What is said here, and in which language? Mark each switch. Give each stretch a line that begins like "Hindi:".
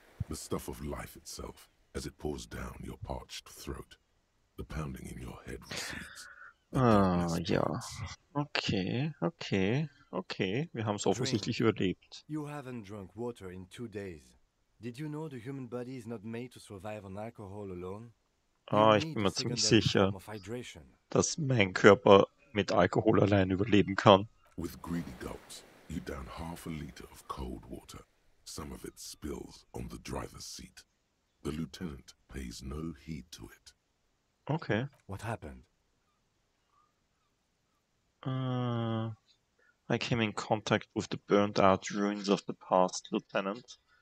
English: The stuff of life itself as it pours down your parched throat. The pounding in your head recedes. Ah, yeah. Okay, okay, okay.
German: Wir haben es offensichtlich überlebt.
English: You haven't drunk water in 2 days. Did you know the human body is not made to survive on alcohol alone?
German: Ah, ich bin mir ziemlich sicher, dass mein Körper mit Alkohol allein überleben kann.
English: With greedy gulps, you down half a liter of cold water. Some of it spills on the driver's seat. The lieutenant pays no heed to it. Okay. What happened? I came in contact with the burnt out ruins of the past, lieutenant.